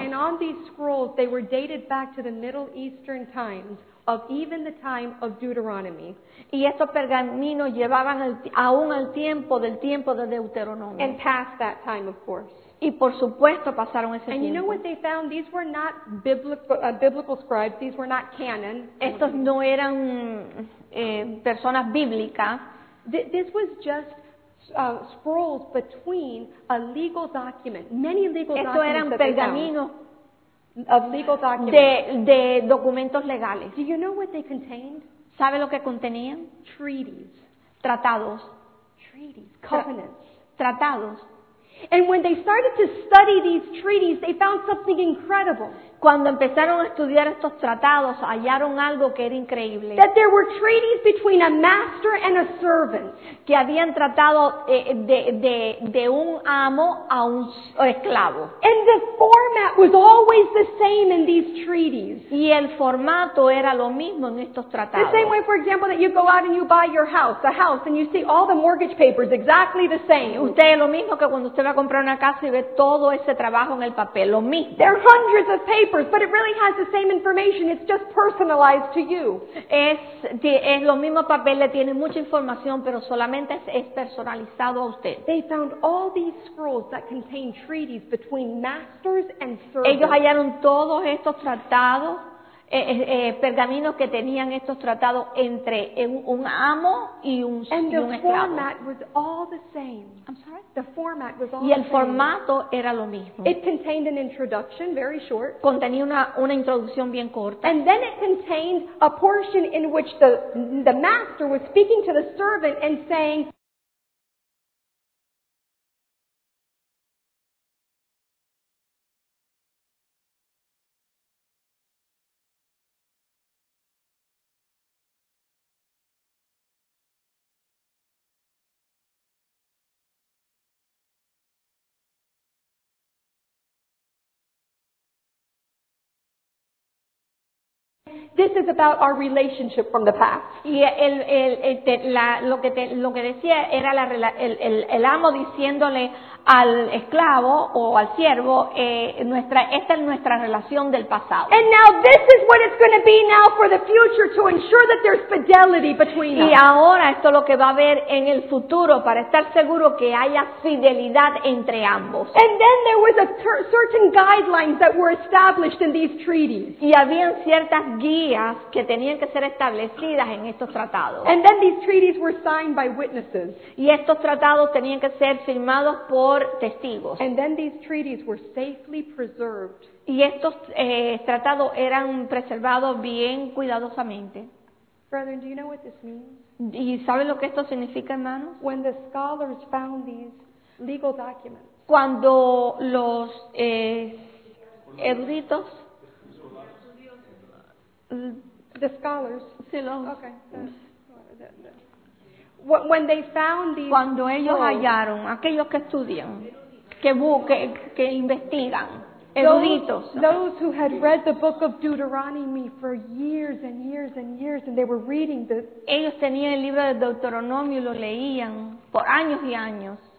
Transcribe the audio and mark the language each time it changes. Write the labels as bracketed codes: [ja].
[en] And on these scrolls, they were dated back to the Middle Eastern times of even the time of Deuteronomy. [es] Y estos pergaminos llevaban aún al tiempo del tiempo de Deuteronomio. [en] And past that time, of course. [es] Y por supuesto pasaron ese tiempo. [en] And you know what they found? These were not biblical scribes. These were not canon. [es] Estos no eran personas bíblicas. [en] This was just scrolls between a legal document. Many legal documents. [es] Estos eran pergaminos [en] of legal documents. [es] De documentos legales. [en] Do you know what they contained? [es] ¿Sabe lo que contenían? [en] Treaties. [es] Tratados. [en] Treaties. Covenants. [es] Tratados. [en] And when they started to study these treaties, they found something incredible. [es] Cuando empezaron a estudiar estos tratados, hallaron algo que era increíble. [en] That there were treaties between a master and a servant. [es] Que habían tratado de un amo a un esclavo. [en] And the format was always the same in these treaties. [es] Y el formato era lo mismo en estos tratados. [en] The same way, for example, that you go out and you buy your house, a house, and you see all the mortgage papers exactly the same. [es] Usted es lo mismo que cuando usted va a comprar una casa y ve todo ese trabajo en el papel, lo mismo. [en] There are hundreds of papers, but it really has the same information. It's just personalized to you. [es] Es lo mismo papel, le tiene mucha información, pero solamente es personalizado a usted. [en] They found all these scrolls that contain treaties between masters and servants. [es] Ellos hallaron todos estos tratados, pergaminos que tenían estos tratados entre un amo y un esclavo. [en] And the format was all the same. I'm sorry? The format was all [es] y el formato era lo mismo. [en] It contained an introduction, very short. [es] Contenía una introducción bien corta. [en] And then it contained a portion in which the master was speaking to the servant and saying, This is about our relationship from the past. [es] Y lo que decía era el amo diciéndole al esclavo o al siervo, esta es nuestra relación del pasado. [en] And now this is what it's going to be now for the future to ensure that there's fidelity between us. [es] Y ahora esto es lo que va a haber en el futuro para estar seguro que haya fidelidad entre ambos. [en] And then there was certain guidelines that were established in these treaties. [es] Y habían ciertas guías que tenían que ser establecidas en estos tratados. [en] And then these treaties were signed by witnesses. [es] Y estos tratados tenían que ser firmados por testigos. [en] And then these treaties were safely preserved. [es] Y estos tratados eran preservados bien cuidadosamente. [en] Brethren, do you know what this means? [es] ¿Y saben lo que esto significa, hermanos? [en] When the scholars found these legal documents. [es] Cuando los eruditos, [en] the scholars, [es] sí, los, [en] okay. When they found these, [es] cuando ellos roles, hallaron, aquellos que estudian, que investigan, eruditos, [en] those who had read the book of Deuteronomy for years and years and years, and they were reading the, [es] ellos tenían el libro de Deuteronomio y lo leían por años y años.